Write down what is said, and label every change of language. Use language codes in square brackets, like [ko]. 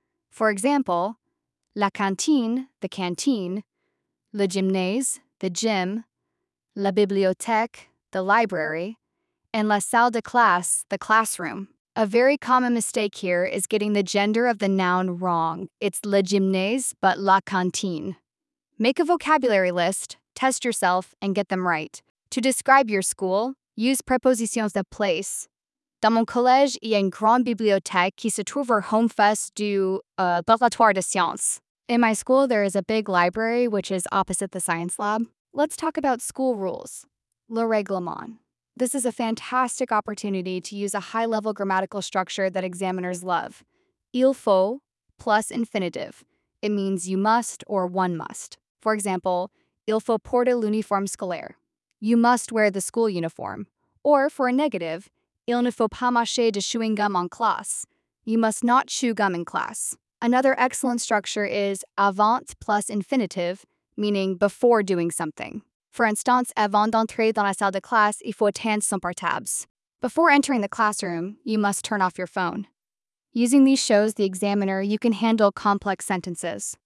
[en] For example, la cantine, the canteen, le gymnase, the gym, la bibliothèque, the library, and la salle de classe, the classroom. A very common mistake here is getting the gender of the noun wrong. It's le gymnase, but la cantine. Make a vocabulary list, test yourself, and get them right. To describe your school, use prepositions de place. [fr] Dans mon collège, il y a une grande bibliothèque qui se trouve au home fest du laboratoire de sciences. [en] In my school, there is a big library, which is opposite the science lab. Let's talk about school rules. Le règlement. This is a fantastic opportunity to use a high-level grammatical structure that examiners love. Il faut plus infinitive. It means you must or one must. For example, [fr] il faut porter l'uniforme scolaire. [en] You must wear the school uniform. Or for a negative, [fr] il ne faut pas mâcher de chewing gum en classe. [en] You must not chew gum in class. Another excellent structure is avant plus infinitive, meaning before doing something. For instance, [fr] avant d'entrer dans la salle de classe, il faut éteindre son portable. [en] Before entering the classroom, you must turn off your phone. Using these shows the examiner you can handle complex sentences.